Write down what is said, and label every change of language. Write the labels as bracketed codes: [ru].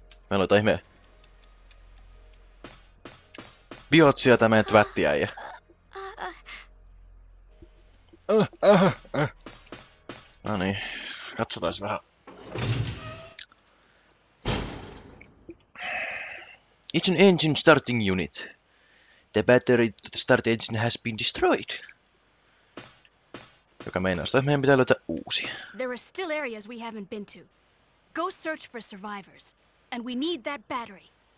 [fi] Meillä on jotain ihmeä biotsia tää meidän twättiäijä. Noniin, katsotaan vähän. [en] It's an engine starting unit. The battery to the start engine has been destroyed. [fi] Joka meinaa sitä, että meidän pitää löytää uusi. [en] There are still areas we haven't been to. Go search for survivors. And we need that battery.